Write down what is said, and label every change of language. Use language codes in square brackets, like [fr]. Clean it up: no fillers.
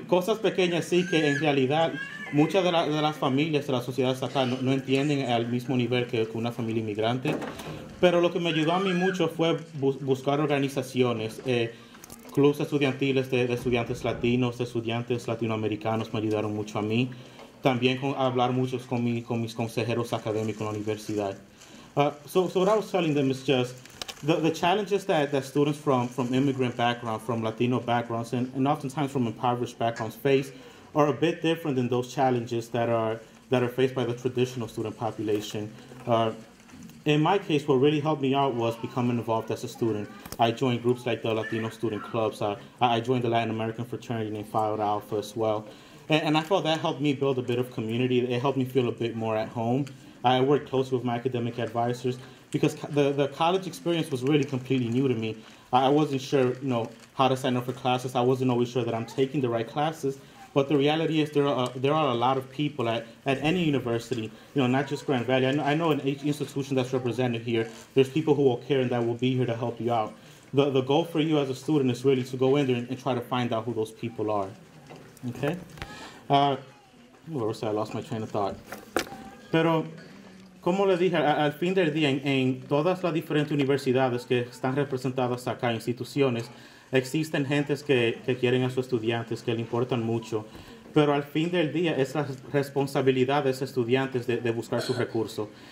[es] Cosas pequeñas sí que en realidad muchas de las familias de la sociedad estatal no entienden al mismo nivel que una familia inmigrante. Pero lo que me ayudó a mí mucho fue buscar organizaciones, clubes estudiantiles de estudiantes latinos, de estudiantes latinoamericanos me ayudaron mucho a mí. También hablar mucho con mis consejeros académicos en la universidad. [en] So what I was telling them is just the challenges that students from immigrant backgrounds, from Latino backgrounds, and oftentimes from impoverished backgrounds face are a bit different than those challenges that are faced by the traditional student population. In my case, what really helped me out was becoming involved as a student. I joined groups like the Latino Student Clubs. I joined the Latin American fraternity named Phi Beta Alpha as well. And I felt that helped me build a bit of community. It helped me feel a bit more at home. I worked closely with my academic advisors because the college experience was really completely new to me. I wasn't sure, you know, how to sign up for classes. I wasn't always sure that I'm taking the right classes. But the reality is there are a lot of people at any university, you know, not just Grand Valley. I know in each institution that's represented here, there's people who will care and that will be here to help you out. The goal for you as a student is really to go in there and try to find out who those people are. Okay? I lost my train of thought. [es] Pero, como le dije, al fin del día, en todas las diferentes universidades que están representadas acá, instituciones, existen gentes que quieren a sus estudiantes, que le importan mucho, pero al fin del día es la responsabilidad de esos estudiantes de buscar sus recursos.